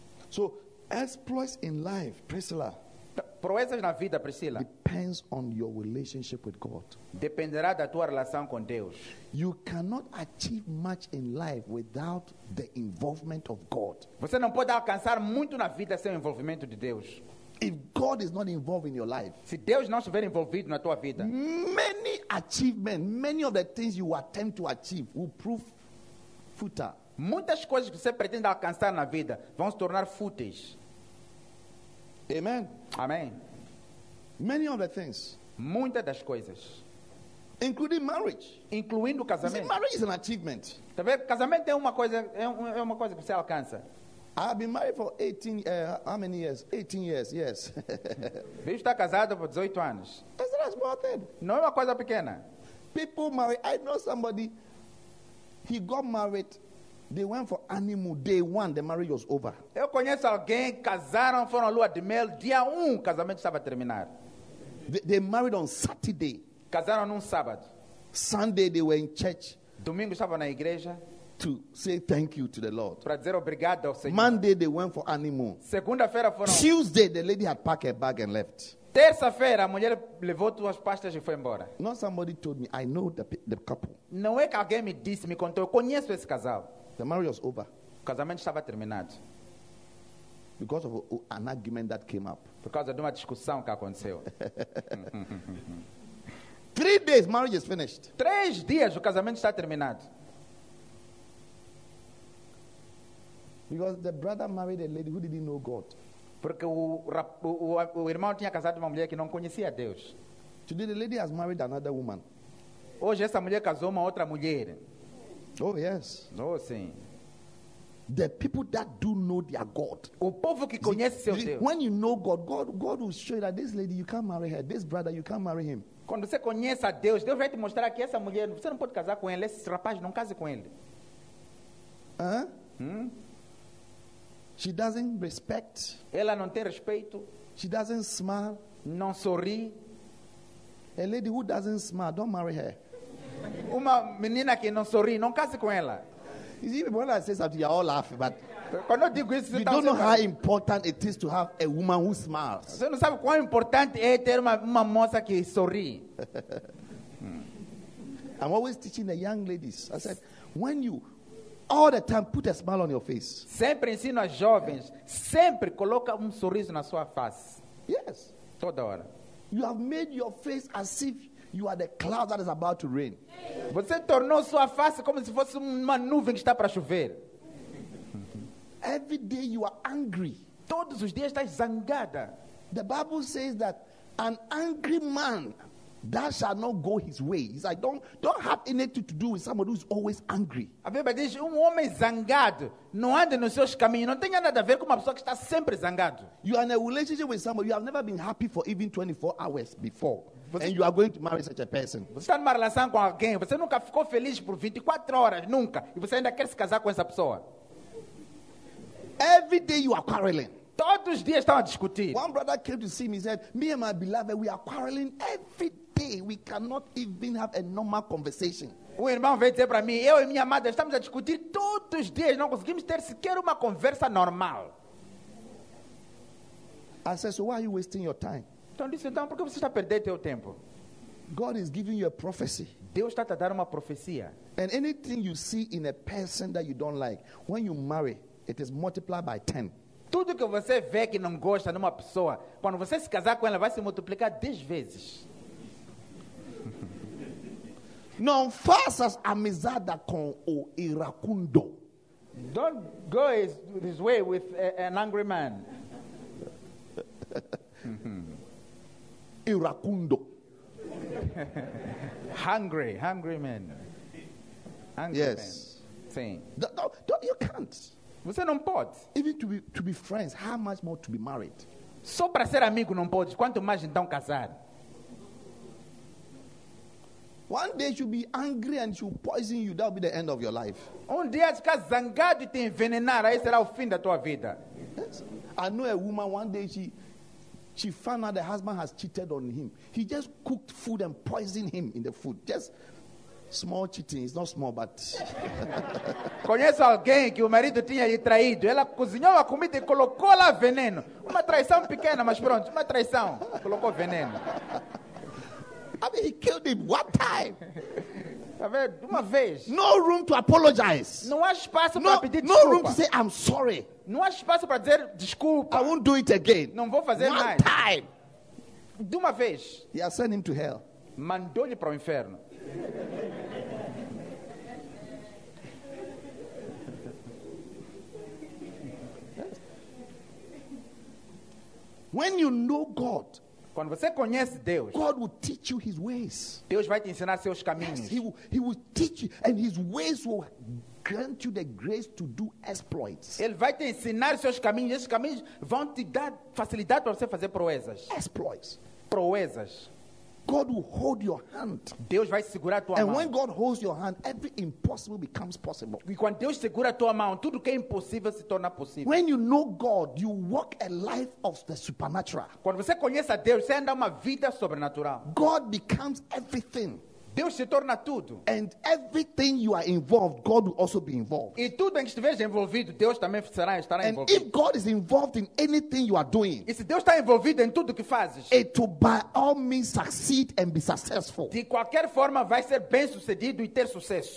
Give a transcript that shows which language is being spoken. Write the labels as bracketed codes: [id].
[en] So, exploits in life, Priscilla. [pt] Proezas na vida, Priscila. [en] Depends on your relationship with God. [pt] Dependerá da tua relação com Deus. [en] You cannot achieve much in life without the involvement of God. [pt] Você não pode alcançar muito na vida sem o envolvimento de Deus. [en] If God is not involved in your life, [pt] se Deus não estiver envolvido na tua vida, [en] many achievements, many of the things you attempt to achieve will prove futile. [pt] Muitas coisas que você pretende alcançar na vida vão se tornar fúteis. [en] Amen. [pt] Amém. [en] Many of the things. [pt] Muitas das coisas. [en] Including marriage. [pt] Incluindo o casamento. [en] See, marriage is an achievement. [pt] Tá vendo? Casamento é uma coisa que você alcança. [en] I've been married for 18 how many years? 18 years, yes. [pt] Você está casado por 18 anos. [en] That's a small thing. [pt] Não é uma coisa pequena. [en] People marry. I know somebody. He got married. They went for honeymoon day one, the marriage was over. [pt] Eu conheço alguém, casaram, foram à lua de mel, dia um, casamento estava a terminar. [en] They married on Saturday. [pt] Casaram num sábado. [en] Sunday they were in church. [pt] Domingo estava na igreja. [en] To say thank you to the Lord. [pt] Para dizer obrigado ao Senhor. [en] Monday they went for honeymoon. [pt] Segunda-feira foram. [en] Tuesday the lady had packed her bag and left. [pt] Terça-feira, a mulher levou suas pastas e foi embora. [en] Not somebody told me, I know the couple. [pt] Não é que alguém me disse, me contou, eu conheço esse casal. [en] The marriage was over. [pt] O casamento estava terminado. [en] Because of an argument that came up. [pt] Por causa de uma discussão que aconteceu. [en] 3 days, marriage is finished. [pt] 3 dias, o casamento está terminado. [en] Because the brother married a lady who didn't know God. [pt] Porque o irmão tinha casado uma mulher que não conhecia Deus. [en] Today the lady has married another woman. [pt] Hoje essa mulher casou uma outra mulher. [en] Oh yes. [pt] Oh sim. [en] The people that do know their God. [pt] O povo que conhece seu Deus. [en] When you know God, God will show you that this lady you can't marry her, this brother you can't marry him. [pt] Quando você conhece a Deus, Deus vai te mostrar que essa mulher você não pode casar com ele, esse rapaz não case com ele. [en] She doesn't respect. [pt] Ela não tem respeito. [en] She doesn't smile. [pt] Não sorri. [en] A lady who doesn't smile, don't marry her. [pt] Uma menina que não sorri, não case com ela. [en] When I say something, you all laugh, but [pt] quando eu digo isso, [en] you don't know how important it is to have a woman who smiles. [pt] Você não sabe quão importante é ter uma moça que sorri. [en] I'm always teaching the young ladies. I said, when you all the time put a smile on your face. [pt] Sempre ensino as jovens, sempre coloca sorriso na sua face. [en] Yes. [pt] Toda hora. [en] You have made your face as if you are the cloud that is about to rain. [pt] Você tornou sua face como se fosse uma nuvem que está para chover. [en] Every day you are angry. [pt] Todos os dias estás zangada. [en] The Bible says that an angry man that shall not go his way. He's like, don't have anything to do with somebody who's always angry. [pt] A Bíblia diz, homem zangado não anda nos seus caminhos. Não tem nada a ver com uma pessoa que está sempre zangado. [en] You are in a relationship with somebody. You have never been happy for even 24 hours before. And you are going to marry such a person. [pt] Você está numa relação com alguém. Você nunca ficou feliz por 24 horas. Nunca. E você ainda quer se casar com essa pessoa. [en] Every day you are quarreling. [pt] Todos os dias estão a discutir. [en] One brother came to see me and said, me and my beloved, we are quarreling every day. We cannot even have a normal conversation. [pt] O irmão veio dizer para mim, eu e minha amada estamos a discutir todos os dias. Não conseguimos ter sequer uma conversa normal. [en] I said, so why are you wasting your time? [pt] Então disse, então, por que você está perdendo seu tempo? [en] God is giving you a prophecy. [pt] Deus está te dando uma profecia. [en] And anything you see in a person that you don't like, when you marry, it is multiplied by 10. [pt] Tudo que você vê que não gosta numa pessoa, quando você se casar com ela, vai se multiplicar 10 vezes. Não faças amizade com o iracundo. [en] Don't go his way with an angry man. [pt] Iracundo. [en] hungry man. Angry yes. Man. Don't, you can't. [pt] Você não pode. [en] Even to be friends, how much more to be married? [pt] Só para ser amigo não pode. Quanto mais então casar? [en] One day she'll be angry and she'll poison you. That'll be the end of your life. [pt] Um dia de zangado te envenenar, aí será o fim da tua vida. [en] I know a woman, one day she found out the husband has cheated on him. He just cooked food and poisoned him in the food. Just small cheating. It's not small, but... [pt] Conheço alguém que o marido tinha lhe traído. Ela cozinhou a comida e colocou lá veneno. Uma traição pequena, mas pronto. Uma traição. Colocou veneno. [en] I mean, he killed him one time. [pt] Uma vez. [en] No room to apologize. [pt] Não há espaço para pedir desculpa. [en] No room to say, I'm sorry. [pt] Não há espaço para dizer desculpa. [en] I won't do it again. [pt] Não vou fazer [en] one [pt] mais. [en] One time. [pt] De uma vez. [en] He has sent him to hell. [pt] Mandou-lhe para o inferno. [en] When you know God, [pt] quando você conhece Deus, [en] God will teach you his ways. [pt] Deus vai te ensinar seus caminhos. [en] Yes, he will teach you, and his ways will grant you the grace to do exploits. [pt] Ele vai te ensinar seus caminhos. Esses caminhos vão te dar facilidade para você fazer proezas. [en] Exploits. [pt] Proezas. [en] God will hold your hand. [pt] Deus vai segurar tua [en] and [pt] mão. [en] And when God holds your hand, every impossible becomes possible. [pt] E quando Deus segura tua mão, tudo que é impossível se torna possível. [en] When you know God, you walk a life of the supernatural. [pt] Quando você conhece a Deus, você anda uma vida sobrenatural. [en] God becomes everything. [pt] Deus se torna tudo. [en] And everything you are involved, God will also be involved. [pt] E tudo em que estiveres envolvido, Deus também estará envolvido. [en] And if God is involved in anything you are doing, [pt] e se Deus está envolvido em tudo que fazes, [en] it will by all means succeed and be successful. [pt] De qualquer forma, vai ser bem sucedido e ter sucesso.